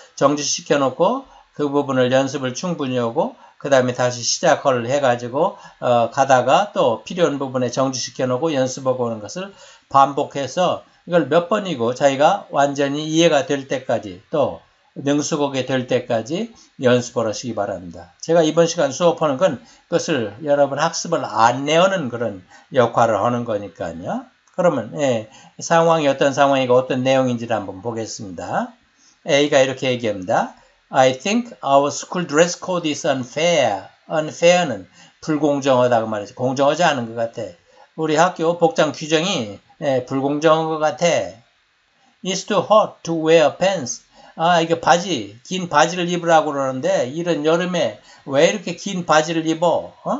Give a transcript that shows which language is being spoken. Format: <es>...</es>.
<ko>정지시켜 놓고 그 부분을 연습을 충분히 하고 그 다음에 다시 시작을 해가지고 가다가 또 필요한 부분에 정지시켜 놓고 연습하고 오는 것을 반복해서 이걸 몇 번이고 자기가 완전히 이해가 될 때까지 또 능숙하게 될 때까지 연습을 하시기 바랍니다. 제가 이번 시간 수업하는 건 그것을 여러분 학습을 안내하는 그런 역할을 하는 거니까요. 그러면 상황이 어떤 상황이고 어떤 내용인지를 한번 보겠습니다. A가 이렇게 얘기합니다.</ko> <en>I think our school dress code is unfair.</en> <ko>Unfair는 불공정하다고 말이지. 공정하지 않은 것 같아. 우리 학교 복장 규정이 불공정한 것 같아.</ko> <en>It's too hot to wear pants.</en> <ko>아, 이게 바지. 긴 바지를 입으라고 그러는데, 이런 여름에 왜 이렇게 긴 바지를 입어?</ko>